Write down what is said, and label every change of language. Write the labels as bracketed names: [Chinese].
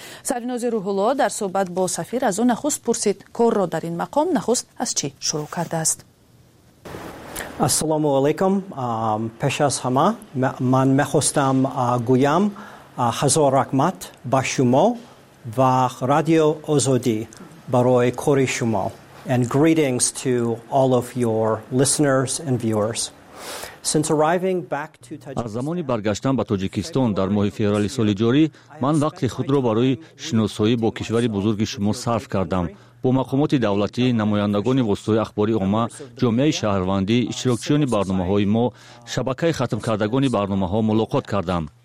[Persian] سرناز روح الله در صحبت با سفیر از او نخست پرسید کار را در این مقام نخست از چی شروع کرده است. السلام علیکم. پیش از همه من می‌خواستم گویم هزار رحمت با شما و رادیو آزادی برای کار شما. [English] And greetings to all of your listeners and viewers. Since arriving back to Tajikistan, [Persian] از زمانی برگشتم به تاجیکستان در ماه فوریه سال جاری، من وقت خود را برای شناسایی با کشوری بزرگ شما صرف کردم. با مقامات دولتی، نمایندگان واسطه اخباری عامه، جامعه شهروندی، اشتراکچیان برنامه های ما، شبکه ختم کردگان برنامه ها ملاقات کردم.